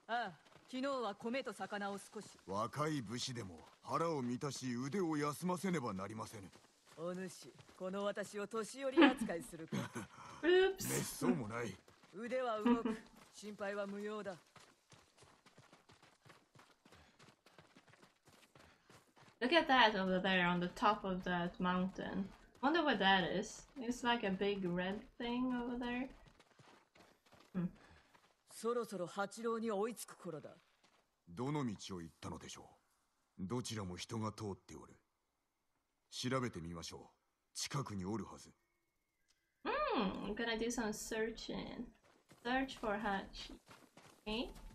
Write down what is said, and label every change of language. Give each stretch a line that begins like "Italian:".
Japanese: ああ、昨日は米と魚を少し。若い武士でも腹を満たし腕を休ませねばなりませぬ。お主、この私を年寄り扱いするか。滅相もない。腕は動く、心配は無用だ。
English: Look at that over there on the top of that mountain. Wonder what that is. It's like a big red thing over there.
Japanese: そろそろ八郎に追いつく頃だ。どの道を行ったのでしょう。どちらも人が通っておる。調べてみましょう。近くにおるはず。
English: I'm gonna do some searching. Search for Hachi. Okay?